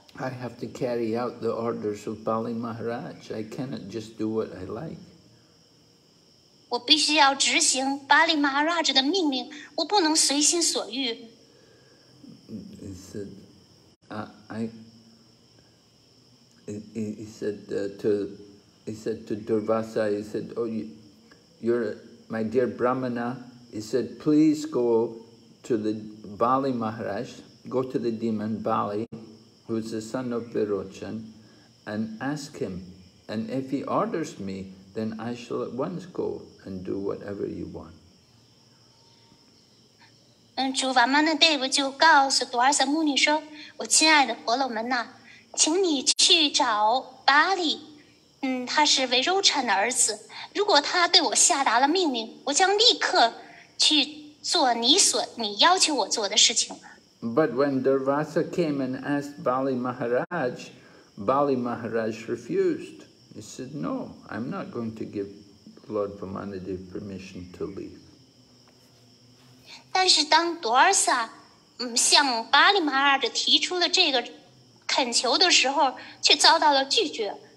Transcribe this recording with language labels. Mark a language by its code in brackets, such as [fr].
[en] I have to carry out the orders of Bali Maharaj. I cannot just do what I like. [zh] 我必须要执行巴利玛哈拉的命令，我不能随心所欲。 [en] He said, he said to Durvasa, he said, oh, you're my dear Brahmana. He said, please go to the Bali Maharaj, go to the demon Bali, who is the son of Virochan, and ask him And if he orders me, then I shall at once go and do whatever you want. [zh] 主法门的贝布就告诉多尔塞牧女说，我亲爱的婆罗门呐，请你去找巴利，他是维柔产的儿子，如果他对我下达了命令，我将立刻去做你要求我做的事情。 [en] But when Durvasa came and asked Bali Maharaj, Bali Maharaj refused. He said, no, I'm not going to give Lord Vamanadeva permission to leave. [zh] 但是当 Durvasa 向 Bali Maharaj 提出了这个恳求的时候，却遭到了拒绝。